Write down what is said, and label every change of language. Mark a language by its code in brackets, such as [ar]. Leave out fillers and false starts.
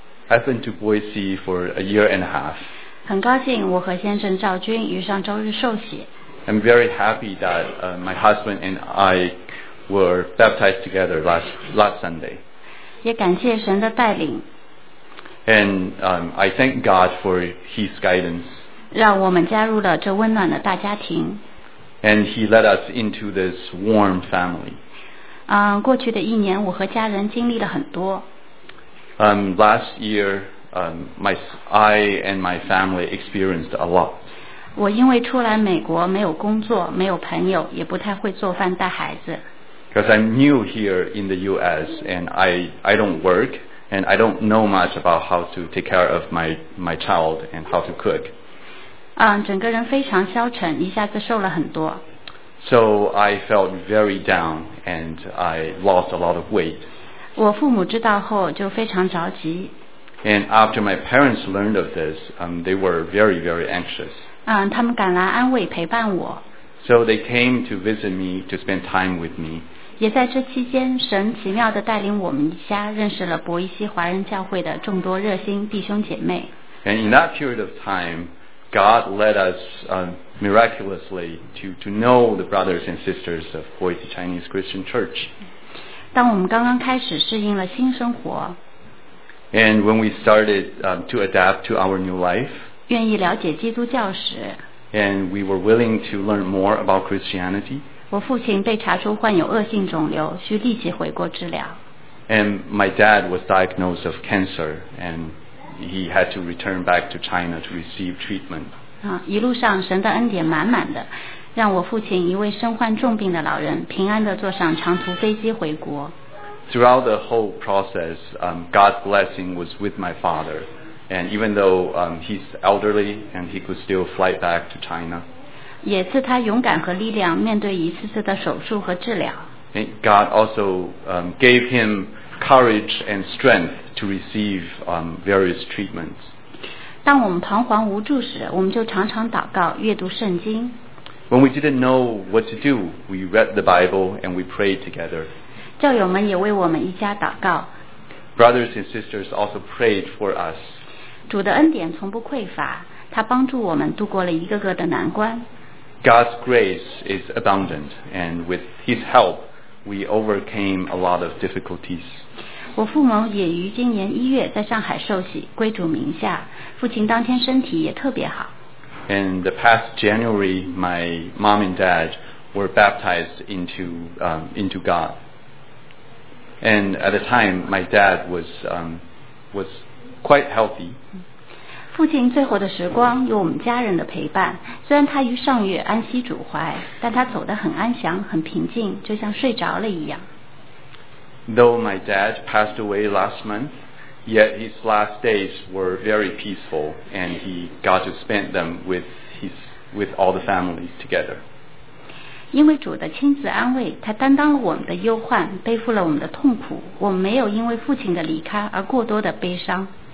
[en] I've been to Boise for a year and a half. [zh] 很高兴我和先生赵军于上周日受洗。 [en] I'm very happy that my husband and I were baptized together last Sunday. [zh] 也感谢神的带领。 [en] And I thank God for His guidance. [zh] 让我们加入了这温暖的大家庭。 [en] And He led us into this warm family. [zh] 过去的一年，我和家人经历了很多。 [en] Last year, I and my family experienced a lot. [zh] 我因为出来美国没有工作没有朋友也不太会做饭带孩子 [en] Because I'm new here in the US and I don't work and I don't know much about how to take care of my child and how to cook [zh] 整个人非常消沉一下子瘦了很多 [en] So I felt very down and I lost a lot of weight [zh] 我父母知道后就非常着急 [en] And after my parents learned of this, they were very, very anxious. [zh] 他们赶来安慰陪伴我。 [en] So they came to visit me to spend time with me. [zh] 也在这期间，神奇妙地带领我们一家认识了伯伊西华人教会的众多热心弟兄姐妹。 [en] And in that period of time, God led us miraculously to know the brothers and sisters of Boise Chinese Christian Church. [zh] 当我们刚刚开始适应了新生活。 [en] And when we started to adapt to our new life, [zh] 愿意了解基督教时, [en] and we were willing to learn more about Christianity, [zh] 我父亲被查出患有恶性肿瘤,需立即回国治疗。 [en] And my dad was diagnosed of cancer, and he had to return back to China to receive treatment. [zh] 一路上神的恩典满满的,让我父亲一位身患重病的老人平安地坐上长途飞机回国。 [en] Throughout the whole process, God's blessing was with my father. And even though he's elderly and he could still fly back to China, [zh] 也赐他勇敢和力量面对一次次的手术和治疗。 [en] God also gave him courage and strength to receive various treatments. [zh] 当我们彷徨无助时，我们就常常祷告，阅读圣经。 [en] When we didn't know what to do, we read the Bible and we prayed together. [zh] 教友们也为我们一家祷告。 [en] Brothers and sisters also prayed for us. [zh] 主的恩典从不匮乏，他帮助我们度过了一个个的难关。 [en] God's grace is abundant, and with His help, we overcame a lot of difficulties. [zh] 我父母也于今年一月在上海受洗，归主名下。父亲当天身体也特别好。 [en] And the past January, my mom and dad were baptized into God. And at the time, my dad was quite healthy. [zh] 父亲最后的时光有我们家人的陪伴。虽然他于上月安息主怀，但他走得很安详、很平静，就像睡着了一样。 [en] Though my dad passed away last month, yet his last days were very peaceful, and he got to spend them with all the families together. [zh] 因为主的亲自安慰，他担当了我们的忧患，背负了我们的痛苦。我们没有因为父亲的离开而过多的悲伤。